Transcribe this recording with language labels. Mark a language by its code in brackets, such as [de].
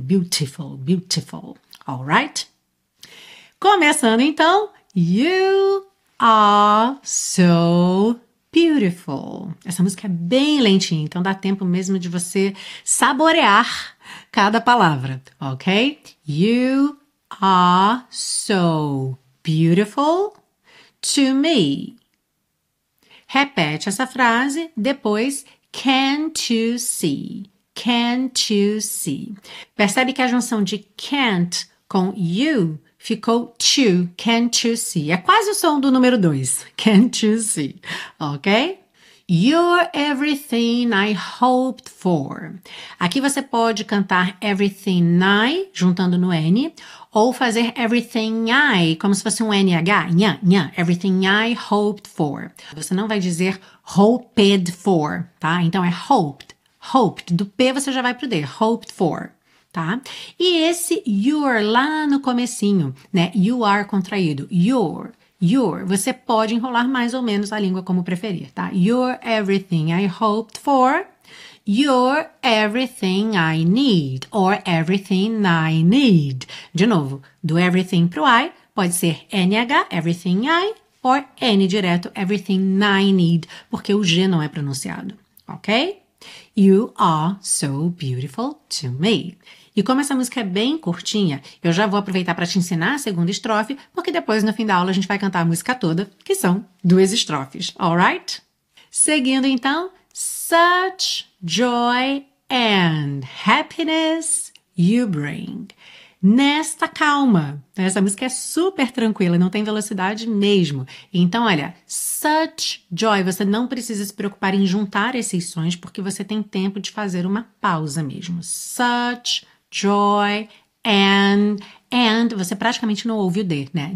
[en] Beautiful, beautiful. Alright? [pt] Começando então, [en] you are so beautiful. [pt] Essa música é bem lentinha, então dá tempo mesmo de você saborear cada palavra, ok? [en] You are so beautiful to me. [pt] Repete essa frase, depois, [en] can't you see? Can't you see? [pt] Percebe que a junção de can't com you ficou to, [en] can't you see? [pt] É quase o som do número 2, [en] can't you see? Ok? You're everything I hoped for. [pt] Aqui você pode cantar everything I, juntando no N, ou fazer everything I, como se fosse um NH, nha, nha, [en] everything I hoped for. [pt] Você não vai dizer hoped for, tá? Então é hoped, hoped. Do P você já vai pro D, hoped for. Tá? E esse you're lá no comecinho, né? [en] You are contraído. You're. [pt] Você pode enrolar mais ou menos a língua como preferir, tá? [en] You're everything I hoped for. You're everything I need. Or everything I need. [pt] De novo, do everything pro I, pode ser NH, everything I, or N direto, [en] everything I need, [pt] porque o G não é pronunciado, ok? [en] You are so beautiful to me. [pt] E como essa música é bem curtinha, eu já vou aproveitar para te ensinar a segunda estrofe, porque depois no fim da aula a gente vai cantar a música toda, que são duas estrofes, alright? Seguindo então, [en] such joy and happiness you bring. [pt] Nesta calma, essa música é super tranquila, não tem velocidade mesmo. Então, olha, such joy, você não precisa se preocupar em juntar esses sons, porque você tem tempo de fazer uma pausa mesmo. [en] Such joy and [pt] você praticamente não ouve o D, né?